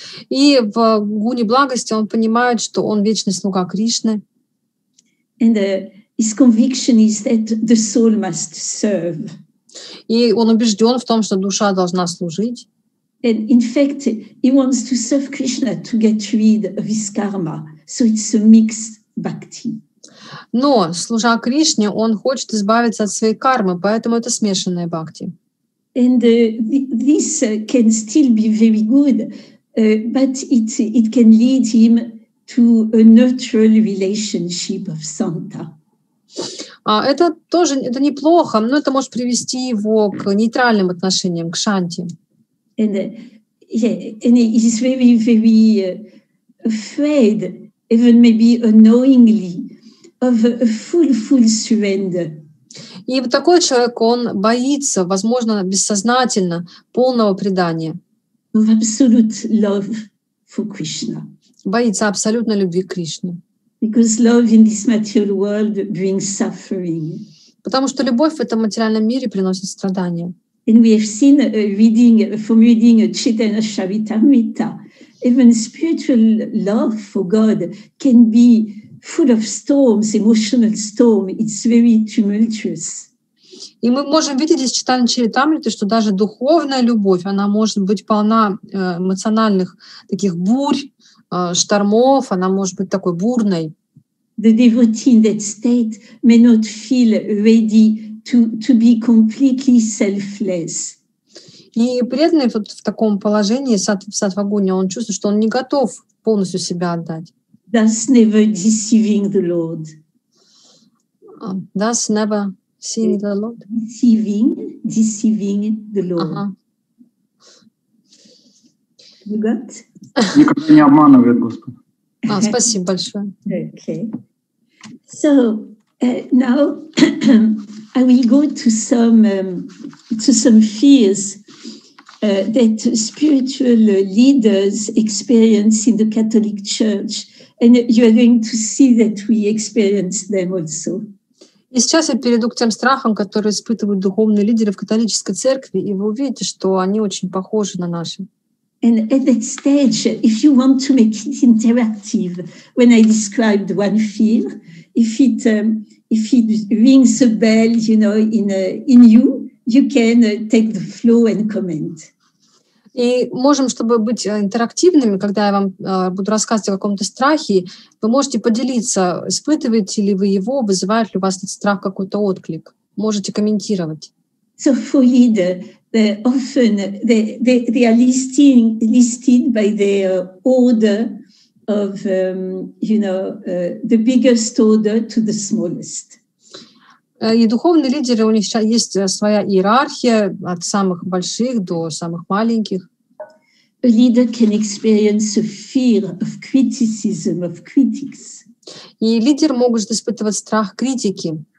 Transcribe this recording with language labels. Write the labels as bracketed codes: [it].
[ru] И в гуне благости он понимает, что он вечный слуга Кришны. [en] And his conviction is that the soul must serve. [ru] И он убежден в том, что душа должна служить. [en] And in fact, he wants to serve Krishna to get rid of his karma. So it's a mixed bhakti. [ru] Но, служа Кришне, он хочет избавиться от своей кармы, поэтому это смешанная бхакти. [en] And this can still be very good, but it can lead him to a neutral relationship of santa. [ru] Это неплохо, но это может привести его к нейтральным отношениям, к шанти. [en] And he's very, very afraid, even maybe unknowingly, of full surrender. [ru] И вот такой человек, он боится, возможно, бессознательно, полного предания. [en] Of absolute love for Krishna. [ru] Боится абсолютной любви к Кришне. [en] Because love in this material world brings suffering. [ru] Потому что любовь в этом материальном мире приносит страдания. [en] And we have seen reading Chaitanya Charitamrita, even spiritual love for God can be full of storms, emotional storm, it's very tumultuous. [ru] И мы можем видеть из читания Чаритамриты, что даже духовная любовь, она может быть полна эмоциональных таких бурь, штормов, она может быть такой бурной. [en] The devotee in that state may not feel ready to be completely selfless. [ru] И преданный вот в таком положении, в сатвагуне, он чувствует, что он не готов полностью себя отдать. [en] Thus never deceiving the Lord. Thus never seeing the Lord. Deceiving the Lord. You got? [ru] Никто не обманывает Господа. Спасибо большое. [en] Okay. So now I will go to some fears that spiritual leaders experience in the Catholic Church, and you are going to see that we experience them also. [ru] И сейчас я перейду к тем страхам, которые испытывают духовные лидеры в католической церкви, и вы увидите, что они очень похожи на наши. [en] And at that stage, if you want to make it interactive, when I described one fear, if it rings a bell, you know, in you, you can take the flow and comment. [ru] И можем, чтобы быть интерактивными, когда я вам буду рассказывать о каком-то страхе, вы можете поделиться, испытываете ли вы его, вызывает ли у вас этот страх какой-то отклик. Можете комментировать. [en] So for leader, often they are listed by their order of, you know, the biggest order to the smallest. [ru] И духовные лидеры, у них сейчас есть своя иерархия от самых больших до самых маленьких. [en] A leader can experience a fear of criticism, of critics. [ru] И лидер может испытывать страх критики.